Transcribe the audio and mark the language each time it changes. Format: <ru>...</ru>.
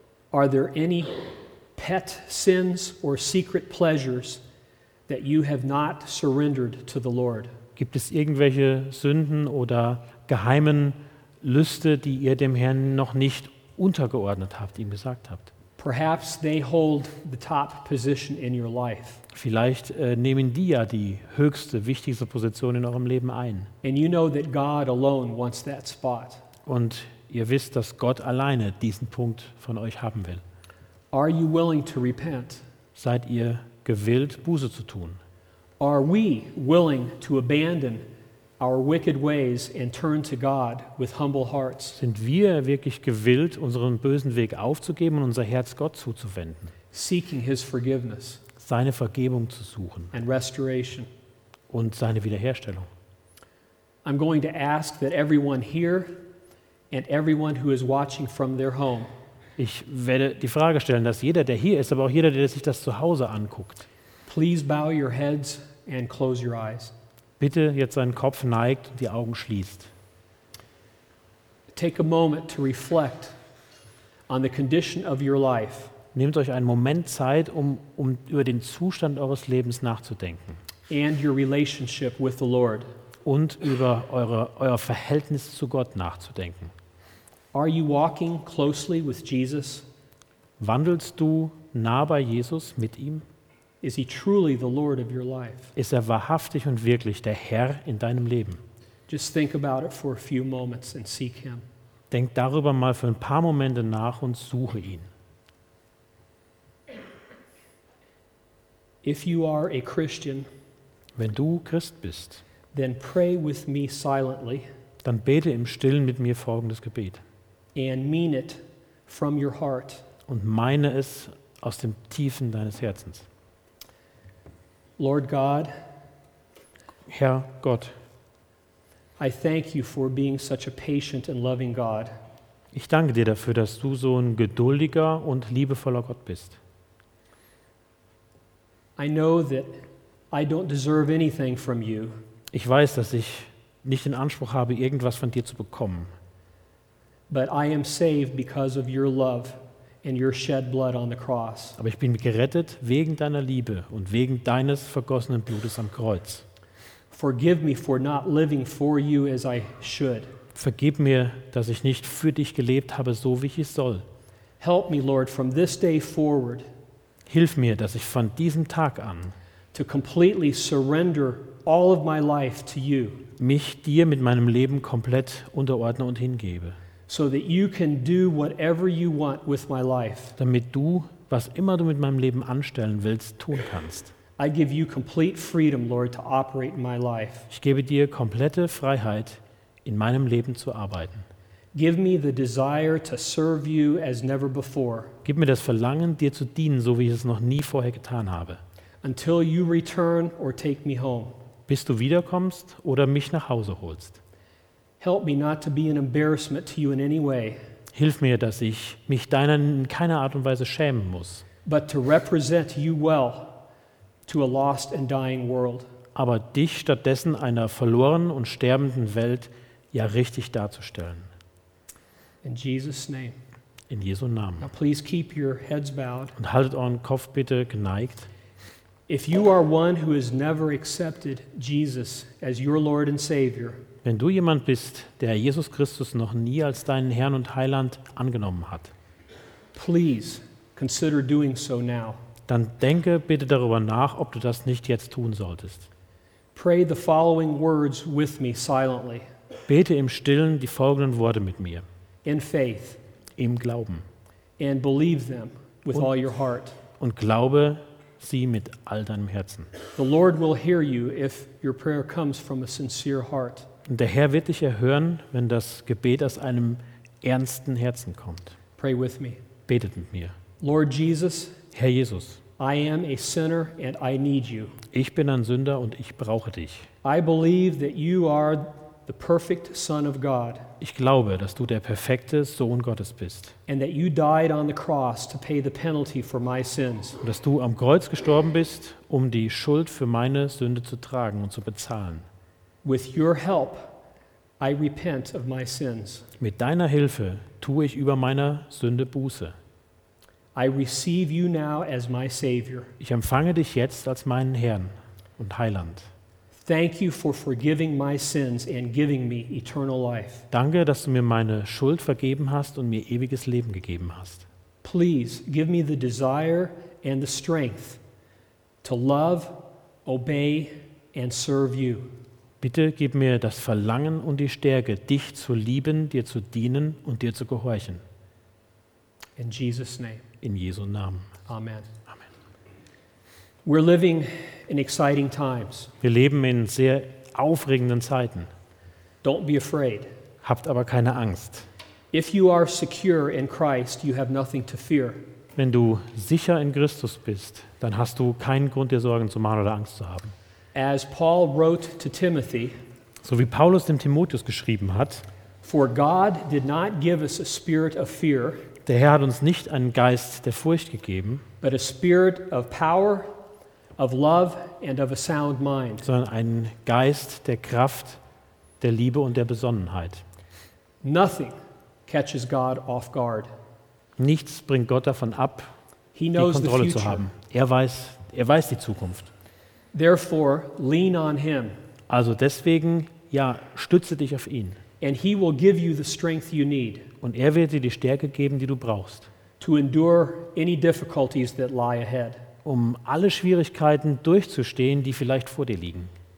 <en>Are there any pet sins or secret pleasures that you have not surrendered to the Lord?</en> <de>Gibt es irgendwelche Sünden oder geheimen Lüste, die ihr dem Herrn noch nicht untergeordnet habt, ihm gesagt habt?</de> <en>Perhaps they hold the top position in your life.</en> <de>Vielleicht nehmen die ja die höchste, wichtigste Position in eurem Leben ein.</de> <en>And you know that God alone wants that spot.</en> <de>Und ihr wisst, dass Gott alleine diesen Punkt von euch haben will.</de> <en>Are you willing to repent?</en> <de>Seid ihr gewillt, Buße zu tun?</de> <en>Are we willing to abandon our wicked ways and turn to God with humble hearts?</en> <de>Sind wir wirklich gewillt, unseren bösen Weg aufzugeben und unser Herz Gott zuzuwenden?</de> <en>Seeking his forgiveness.</en> <de>Seine Vergebung zu suchen.</de> <en>And restoration.</en> <de>Und seine Wiederherstellung.</de> <en>I'm going to ask that everyone here and everyone who is watching from their home.</en> <de>Ich werde die Frage stellen, dass jeder, der hier ist, aber auch jeder, der sich das zu Hause anguckt.</de> <en>Please bow your heads and close your eyes.</en> <de>Bitte jetzt seinen Kopf neigt und die Augen schließt.</de> <en>Take a moment to reflect on the condition of your life.</en> <de>Nehmt euch einen Moment Zeit, um über den Zustand eures Lebens nachzudenken.</de> <en>And your relationship with the Lord.</en> <de>Und über euer Verhältnis zu Gott nachzudenken.</de> <en>Are you walking closely with Jesus?</en> <de>Wandelst du nah bei Jesus mit ihm?</de> <en>Is he truly the Lord of your life?</en> <de>Ist er wahrhaftig und wirklich der Herr in deinem Leben?</de> <en>Just think about it for a few moments and seek him.</en> <de>Denk darüber mal für ein paar Momente nach und suche ihn.</de> <en>If you are a Christian,</en> <de>wenn du Christ bist,</de> <en>then pray with me silently.</en> <de>Dann bete im Stillen mit mir folgendes Gebet.</de> <en>And mean it from your heart.</en> <de>Und meine es aus dem Tiefen deines Herzens.</de> <en>Lord God,</en> <de>Herr Gott,</de> <en>I thank you for being such a patient and loving God.</en> <de>Ich danke dir dafür, dass du so ein geduldiger und liebevoller Gott bist.</de> <en>I know that I don't deserve anything from you.</en> <de>Ich weiß, dass ich nicht den Anspruch habe, irgendwas von dir zu bekommen.</de> <en>But I am saved because of your love and your shed blood on the cross.</en> <de>Aber ich bin gerettet wegen deiner Liebe und wegen deines vergossenen Blutes am Kreuz.</de> <en>Forgive me for not living for you as I should.</en> <de>Vergib mir, dass ich nicht für dich gelebt habe, so wie ich soll.</de> <en>Help me, Lord, from this day forward.</en> <de>Hilf mir, dass ich von diesem Tag an</de> <en>to completely surrender all of my life to you.</en> <de>Mich dir mit meinem Leben komplett unterordne und hingebe.</de> <en>So that you can do whatever you want with my life.</en> <de>Damit du, was immer du mit meinem Leben anstellen willst, tun kannst.</de> <en>I give you complete freedom, Lord, to operate in my life.</en> <de>Ich gebe dir komplette Freiheit, in meinem Leben zu arbeiten.</de> <en>Give me the desire to serve you as never before.</en> <de>Gib mir das Verlangen, dir zu dienen, so wie ich es noch nie vorher getan habe.</de> <en>Until you return or take me home.</en> <de>Bis du wiederkommst oder mich nach Hause holst.</de> <en>Help me not to be an embarrassment to you in any way.</en> <de>Hilf mir, dass ich mich deiner in keiner Art und Weise schämen muss.</de> <en>But to represent you well to a lost and dying world.</en> <de>Aber dich stattdessen einer verlorenen und sterbenden Welt ja richtig darzustellen.</de> <en>In Jesus' name.</en> <de>In Jesu Namen.</de> <en>Now please keep your heads bowed.</en> <de>Und haltet euren Kopf bitte geneigt.</de> <en>If you are one who has never accepted Jesus as your Lord and Savior.</en> <de>wenn du jemand bist, der Jesus Christus noch nie als deinen Herrn und Heiland angenommen hat,</de> <en>please consider doing so now.</en> <de>Dann denke bitte darüber nach, ob du das nicht jetzt tun solltest.</de> <en>Pray the following words with me silently.</en> <de>Bete im Stillen die folgenden Worte mit mir.</de> <en>In faith.</en> <de>Im Glauben.</de> <en>And believe them with all your heart.</en> <de>Und glaube sie mit all deinem Herzen.</de> <en>The Lord will hear you if your prayer comes from a sincere heart.</en> <de>Und der Herr wird dich erhören, wenn das Gebet aus einem ernsten Herzen kommt.</de> <en>Pray with me.</en> <de>Betet mit mir.</de> <en>Lord Jesus.</en> <de>Herr Jesus.</de> <en>I am a sinner and I need you.</en> <de>Ich bin ein Sünder und ich brauche dich.</de> <en>I believe that you are the perfect Son of God.</en> <de>Ich glaube, dass du der perfekte Sohn Gottes bist.</de> <en>And that you died on the cross to pay the penalty for my sins.</en> <de>Und dass du am Kreuz gestorben bist, um die Schuld für meine Sünde zu tragen und zu bezahlen.</de> <en>With your help, I repent of my sins.</en> <de>Mit deiner Hilfe tue ich über meiner Sünde Buße.</de> <en>I receive you now as my Savior.</en> <de>Ich empfange dich jetzt als meinen Herrn und Heiland.</de> <en>Thank you for forgiving my sins and giving me eternal life.</en> <de>Danke, dass du mir meine Schuld vergeben hast und mir ewiges Leben gegeben hast.</de> <en>Please give me the desire and the strength to love, obey and serve you.</en> <de>Bitte gib mir das Verlangen und die Stärke, dich zu lieben, dir zu dienen und dir zu gehorchen.</de> <en>In Jesus' name.</en> <de>In Jesu Namen.</de> <en>Amen.</en> <de>Amen.</de> <en>We're living in exciting times.</en> <de>Wir leben in sehr aufregenden Zeiten.</de> <en>Don't be afraid.</en> <de>Habt aber keine Angst.</de> <en>If you are secure in Christ, you have nothing to fear.</en> <de>Wenn du sicher in Christus bist, dann hast du keinen Grund, dir Sorgen zu machen oder Angst zu haben.</de> <en>As Paul wrote to Timothy,</en> <de>so wie Paulus dem Timotheus geschrieben hat,</de> <en>for God did not give us a spirit of fear,</en> <de>der Herr hat uns nicht einen Geist der Furcht gegeben,</de> <en>but a spirit of power, of love and of a sound mind,</en> <de>sondern einen Geist der Kraft, der Liebe und der Besonnenheit.</de> <en>Nothing catches God off guard.</en> <de>Nichts bringt Gott davon ab, die Kontrolle zu haben. Er weiß die Zukunft.</de> <en>Therefore, lean on him.</en> <de>Also deswegen, ja, stütze dich auf ihn.</de> <en>And he will give you the strength you need.</en> <de>Und er wird dir die Stärke geben, die du brauchst.</de> <en>To endure any difficulties that lie ahead.</en> <de>Um alle Schwierigkeiten durchzustehen, die vielleicht vor dir liegen.</de>